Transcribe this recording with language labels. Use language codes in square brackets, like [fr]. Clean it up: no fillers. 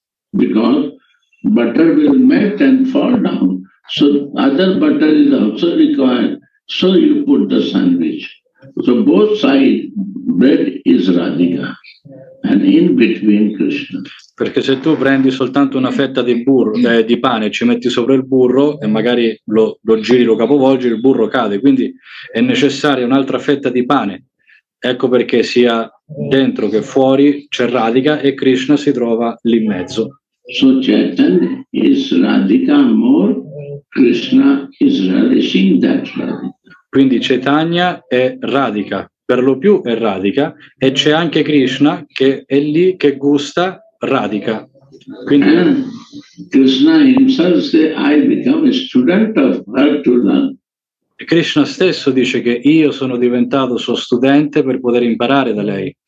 [en] Because butter will melt and fall down, so other butter is also required, so you put the sandwich. So both sides, bread is Radhika, and in between Krishna. [it] Perché se tu prendi soltanto una fetta di burro, di pane, ci metti sopra il burro e magari lo giri, lo capovolgi, il burro cade. Quindi è necessaria un'altra fetta di pane. Ecco perché sia dentro che fuori c'è Radhika e Krishna si trova lì in mezzo. [en] So Chaitanya is Radhika more, Krishna is relishing that Radhika. [it] Quindi Chaitanya è Radhika, per lo più è Radhika, e c'è anche Krishna che è lì che gusta Radhika. Quindi, [en] Krishna himself say, I become a student of her to learn. [it] Krishna stesso dice che io sono diventato suo studente per poter imparare da lei.